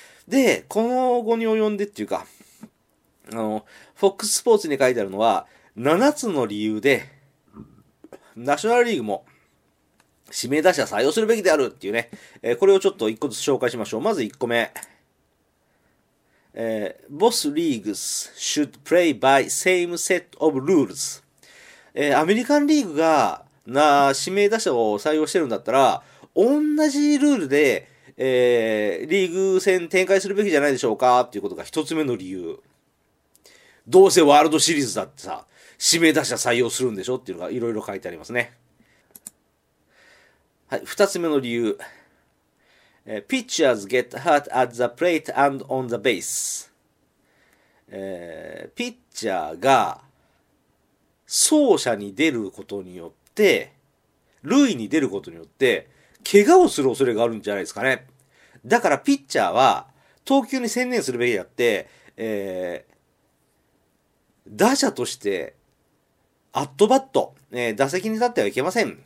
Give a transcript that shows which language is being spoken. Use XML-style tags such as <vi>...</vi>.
<ja>で、この後に及んでっていうか、FOX スポーツに書いてあるのは、7つの理由で、ナショナルリーグも、指名打者採用するべきであるっていうね、これをちょっと一個ずつ紹介しましょう。まず1個目。</ja> <en>Both leagues should play by same set of rules。</en> <ja>アメリカンリーグが、指名打者を採用してるんだったら、同じルールで、リーグ戦展開するべきじゃないでしょうかっていうことが一つ目の理由。どうせワールドシリーズだってさ、指名打者採用するんでしょっていうのがいろいろ書いてありますね。はい、二つ目の理由。</ja> <en>Pitchers get hurt at the plate and on the base。</en> <ja>ピッチャーが、走者に出ることによって、で、塁に出ることによって怪我をする恐れがあるんじゃないですかね。だからピッチャーは投球に専念するべきであって、打者としてアットバット、打席に立ってはいけません。</ja>